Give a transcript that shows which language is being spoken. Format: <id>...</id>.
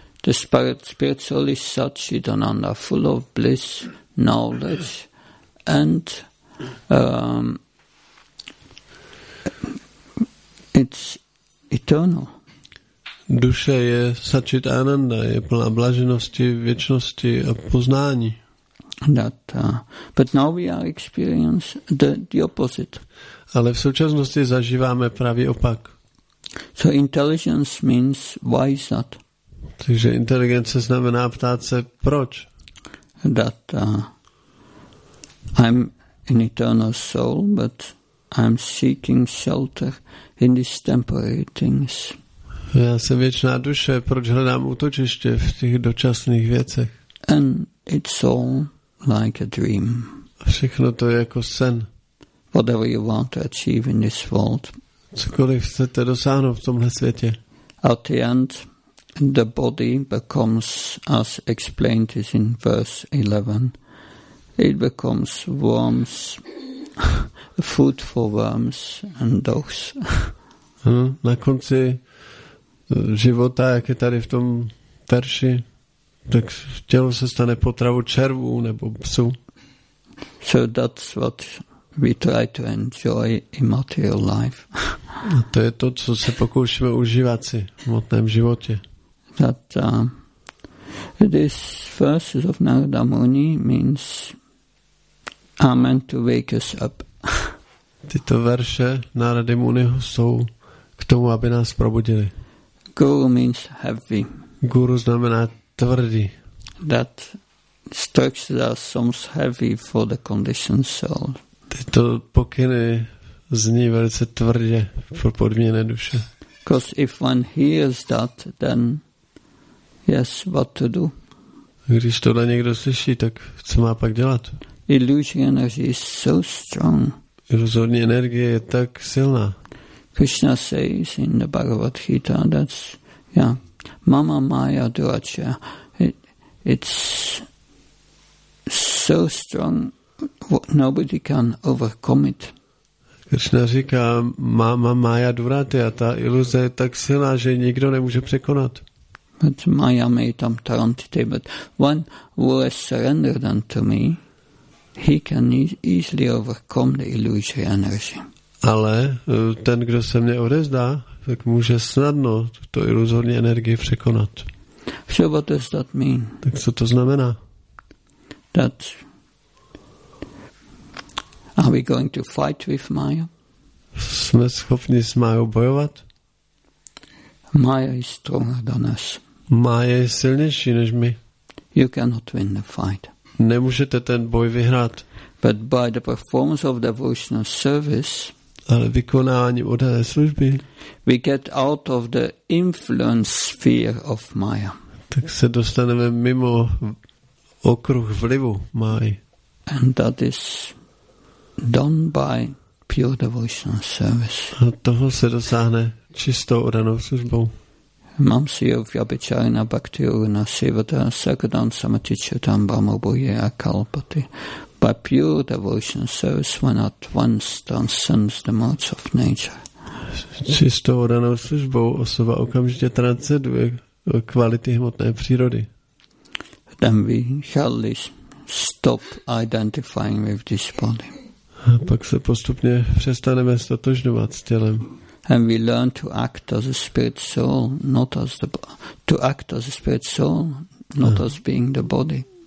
<en>The spirit soul is such, it ananda, full of bliss, knowledge, and it's eternal.</en> <cs>Duše je sačit ananda, je plná blaženosti, věčnosti a poznání.</cs> <en>That, but now we are experiencing the opposite.</en> <cs>Ale v současnosti zažíváme pravý opak.</cs> <en>So intelligence means why is that?</en> <cs>Takže inteligence znamená ptát se proč.</cs> <en>That, I'm an eternal soul, but I'm seeking shelter in these temporary things.</en> <cs>Já jsem věčná duše, proč hledám útočiště v těch dočasných věcech?</cs> <en>And it's all like a dream.</en> <cs>Všechno to je jako sen.</cs> <en>Whatever you want to achieve in this world.</en> <cs>Cokoliv chcete dosáhnout v tomhle světě.</cs> <en>At the end, the body becomes, as explained this in verse 11, it becomes worms, food for worms and dogs.</en> <cs>Na konci života, jak je tady v tom verši, tak tělo se stane potravou červů nebo psů.</cs> <en>So that's what we try to enjoy in material life.</en> <cs>A to je to, co se pokoušíme užívat si v hmotném životě.</cs> <en>That this verses of Narada Muni means Amen to wake us up.</en> <cs>Tyto verše Narady Muniho jsou k tomu, aby nás probudili.</cs> <en>Guru means heavy.</en> <cs>Guru znamená tvrdý.</cs> <en>That structures are so heavy for the conditioned soul.</en> <cs>Tyto pokyny zní velice tvrdě pro podmíněné duše.</cs> <en>Because if one hears that, then yes, what to do?</en> <cs>Když tohle někdo slyší, tak co má pak dělat?</cs> <en>Illusion energy is so strong.</en> <cs>Iluzorní energie je tak silná.</cs> <en>Krishna says in the Bhagavad Gita, that's, yeah,</en> <sa>Mama Maya Duracha,</sa> <en>it's so strong, nobody can overcome it.</en> <cs>Krishna říká,</cs> <sa>Mama Maya Duracha,</sa> <cs>ta iluze je tak silná, že nikdo nemůže překonat.</cs> <en>But</en> <sa>Maya may tam tarantite,</sa> <en>but one who has surrendered unto me, he can easily overcome the illusory energy.</en> <cs>Ale ten, kdo se mě odezdá, tak může snadno tuto iluzorní energii překonat.</cs> <en>So what does that mean?</en> <cs>Tak co to znamená?</cs> <en>That are we going to fight with Maya?</en> <cs>Jsme schopni s Mayou bojovat?</cs> <en>Maya is stronger than us.</en> <cs>Maya je silnější než my.</cs> <en>You cannot win the fight.</en> <cs>Nemůžete ten boj vyhrát.</cs> <en>But by the performance of devotional service,</en> <cs>ale vykonáním oddané služby,</cs> <en>we get out of the influence sphere of Maya.</en> <cs>Tak se dostaneme mimo okruh vlivu Maya.</cs> <en>And that is done by pure devotional service.</en> <cs>A toho se dosáhne čistou oddanou službou.</cs> <sa>Mam siyo vyabhicharina bhakti urna sivata sakadan samatichyotam bhamabhuye akalpati.</sa> <en>By pure devotion service one at once transcends the modes of nature.</en> <cs>Čistou danou službou osoba okamžitě transceduje kvality hmotné přírody.</cs> <en>Then we shall stop identifying with this body.</en> <cs>A pak se postupně přestaneme stotožňovat s tělem.</cs> <en>And we learn to act as a spirit soul, not as the to act as a spirit soul, not as being the body.</en>